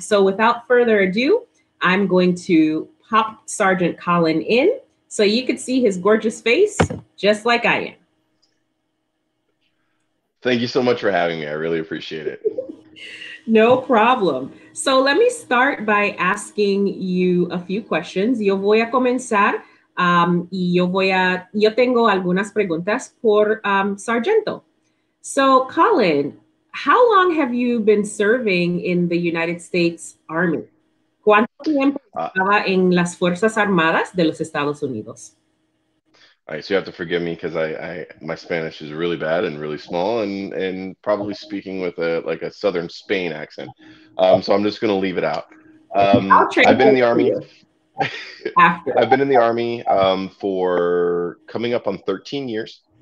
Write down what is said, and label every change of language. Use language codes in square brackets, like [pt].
[en] So without further ado, I'm going to pop Sergeant Colin in so you could see his gorgeous face just like I am. Thank you so much for having me. I really appreciate it. No problem. So let me start by asking you a few questions. [es] Yo voy a comenzar y yo tengo algunas preguntas por Sargento. [en] So Colin, how long have you been serving in the United States Army? [es] ¿Cuánto tiempo estaba en las Fuerzas Armadas de los Estados Unidos? [en] All right, so you have to forgive me because my Spanish is really bad and really small and probably speaking with a Southern Spain accent. So I'm just going to leave it out. I've been in the Army for coming up on 13 years.